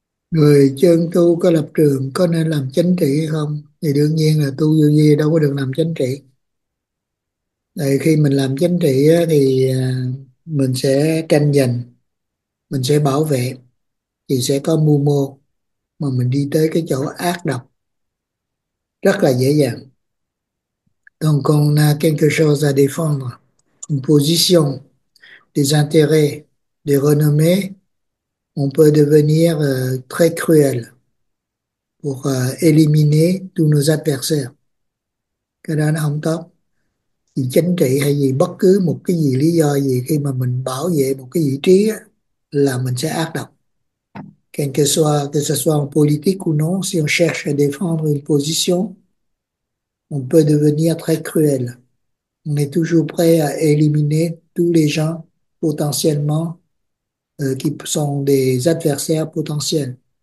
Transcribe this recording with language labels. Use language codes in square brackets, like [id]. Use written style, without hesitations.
[vi] Người chân tu có lập trường có nên làm chánh trị hay không thì đương nhiên là tu vô vi đâu có được làm chánh trị. Tại khi mình làm chánh trị á, thì mình sẽ tranh giành, mình sẽ bảo vệ, thì sẽ có mưu mô mà mình đi tới cái chỗ ác độc rất là dễ dàng. [fr] Donc on a quelque chose à défendre, une position, des intérêts, des renommées. On peut devenir très cruel pour éliminer tous nos adversaires. [vi] Cái đó nó không tốt. Vì chính trị hay gì, bất cứ một cái gì lý do gì, khi mà mình bảo vệ một cái vị trí á, là mình sẽ ác độc. [fr] Que ce soit en politique ou non, si on cherche à défendre une position, on peut devenir très cruel. On est toujours prêt à éliminer tous les gens potentiellement qui sont des adversaires potentiels.